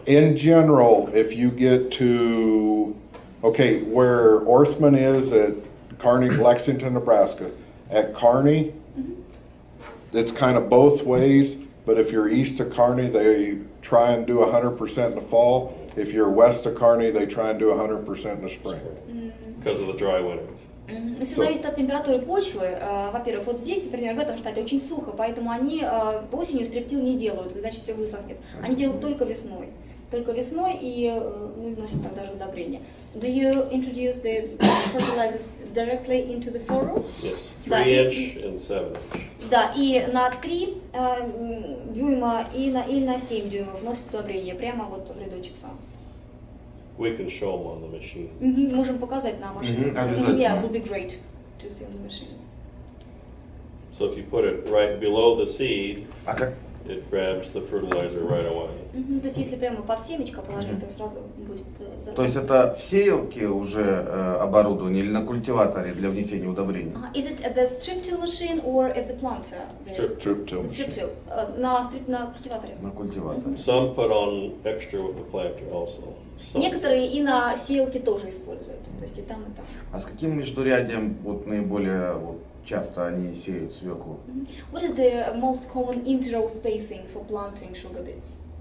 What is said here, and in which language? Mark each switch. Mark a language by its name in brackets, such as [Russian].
[English] In general, if you get to, okay, where Orthman is at Kearney, Lexington, Nebraska, at Kearney, it's kind of both ways, but if you're east of Kearney, they try and do 100% in the fall. If you're west of Kearney, they try and do 100% in the spring. Because of the dry winter. [Russian] Все зависит от температуры почвы. Во-первых, вот здесь, например, в этом штате очень сухо, поэтому они осенью стриптил не делают, иначе все высохнет. Они делают только весной. Только весной, и мы вносим тогда же удобрения. [English] Do you introduce the fertilizers directly into the furrow? Yes, 3-inch and 7-inch. [Russian] Да, и на 3 дюйма и на 7 дюймов вносит удобрения, прямо вот в рядочек сам. [English] We can show them on the machine. Mm-hmm. [Russian] Можем показать на машине. Mm-hmm. [English] Yeah, it would be great to see on the machines. So if you put it right below the seed, okay, it grabs the fertilizer right away. Mm-hmm. [Russian] То есть если прямо под семечко положить, то сразу будет. То есть это в сеялке уже оборудование или на культиваторе для внесения удобрения? [English] Is it at the strip till machine or at the planter? Strip till. [Russian] На культиваторе. На культиваторе. Mm-hmm. [English] Some put on extra with the planter also. [Russian] Некоторые и на сеялке тоже используют, то есть и там, и там. А с каким междурядьем вот наиболее вот часто они сеют свеклу? [English] What is the most common inter-row spacing for planting sugar beets?